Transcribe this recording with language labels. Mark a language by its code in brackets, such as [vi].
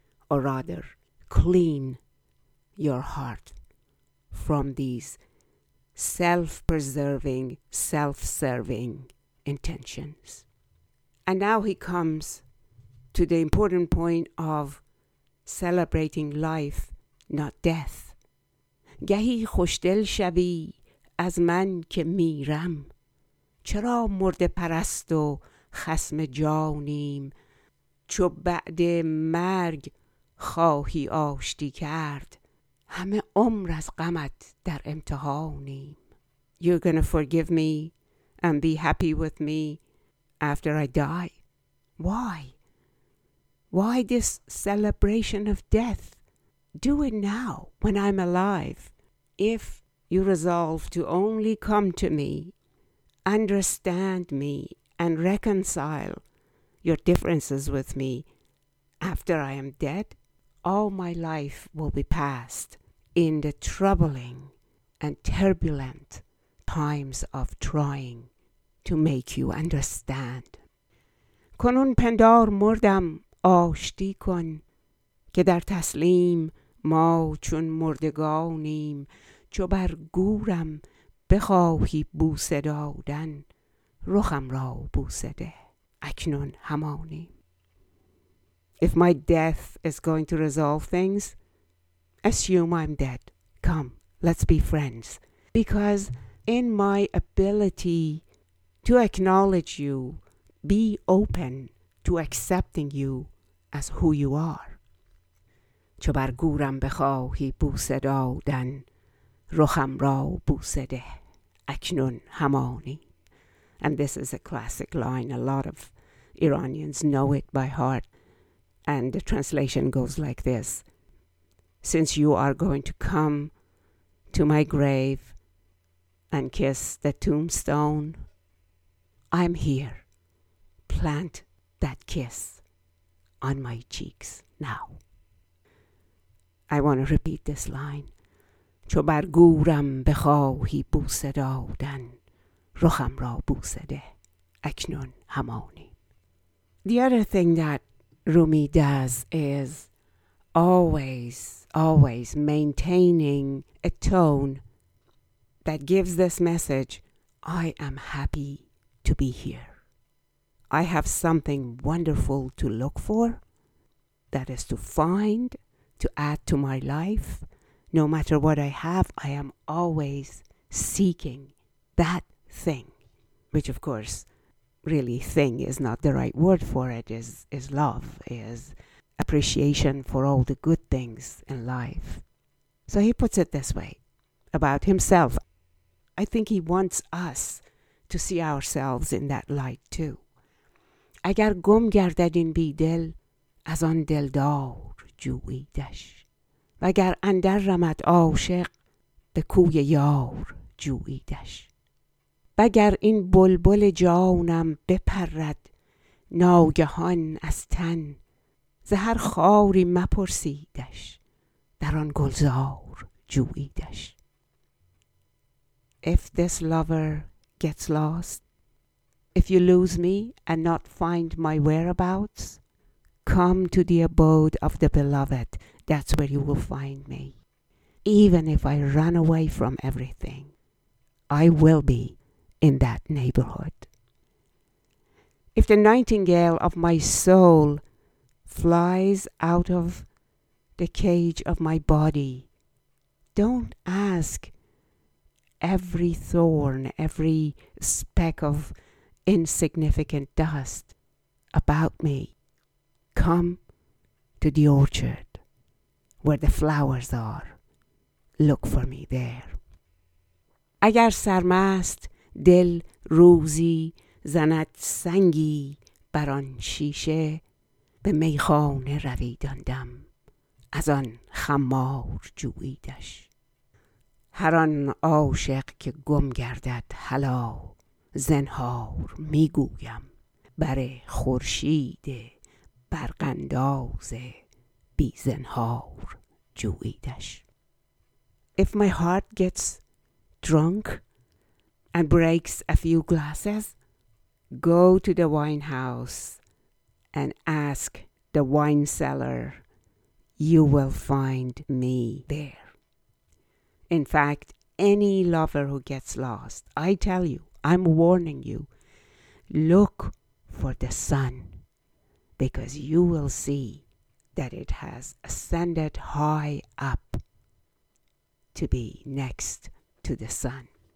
[en] Or rather, clean your heart from these self-preserving, self-serving intentions. And now he comes to the important point of celebrating life, not death. [fa] گهی خوشدل شوی از من که میرم، چرا مرده پرست و خصم جانیم، چو بعد مرگ خواهی آشتی کرد، همه عمر از غمت در امتحانیم. [en] You're gonna forgive me and be happy with me after I die. Why? Why this celebration of death? Do it now, when I'm alive. If you resolve to only come to me, understand me, and reconcile your differences with me after I am dead, all my life will be passed in the troubling and turbulent times of trying to make you understand. [fa] کنون پندار مردم آشتی کن که در تسلیم ما چون مردگانیم، چو بر گورم بخواهی بوسه دادن، رخم را بوسه ده اکنون همانیم. [en] If my death is going to resolve things, assume I'm dead. Come, let's be friends. Because in my ability to acknowledge you, be open to accepting you as who you are. [fa] چو بر گورم بخواهی بوسه دادن، رخم را بوسه ده اکنون همانی. [en] And this is a classic line. A lot of Iranians know it by heart. And the translation goes like this. Since you are going to come to my grave and kiss the tombstone, I'm here. Plant that kiss on my cheeks now. I want to repeat this line. [fa] چو بر گورم بخواهی بوسه دادن، رخم را بوسه ده اکنون همانی. [en] The other thing that Rumi does is always, always maintaining a tone that gives this message, I am happy to be here. I have something wonderful to look for, that is to find, to add to my life. No matter what I have, I am always seeking that thing, which of course, really, thing is not the right word for it, is love, is appreciation for all the good things in life. So he puts it this way about himself. I think he wants us to see ourselves in that light too. [fa] اگر گم گردد این بی دل از آن دلدار جویدش، وگر اندر رمد عاشق به کوی یار جویدش، اگر این بلبل جانم بپرد ناگهان از تن، زهر خاری مپرسیدش در آن گلزار جویدش. [en] If this lover gets lost, if you lose me and not find my whereabouts, come to the abode of the beloved. That's where you will find me. Even if I run away from everything, I will be in that neighborhood. If the nightingale of my soul flies out of the cage of my body, don't ask every thorn, every speck of insignificant dust about me. Come to the orchard where the flowers are. Look for me there. [fa] اگر سرمست دل روزی زند سنگی بر آن شیشه، به میخانه روید آن دم از آن خمار جویدش. هر آن عاشق که گم گردد حلا زنهار میگویم بر خورشید برقنداز بی زنهار جویدش. [en] If my heart gets drunk and breaks a few glasses, go to the wine house and ask the wine cellar. You will find me there. In fact, any lover who gets lost, I tell you, I'm warning you, look for the sun, because you will see that it has ascended high up to be next to the sun.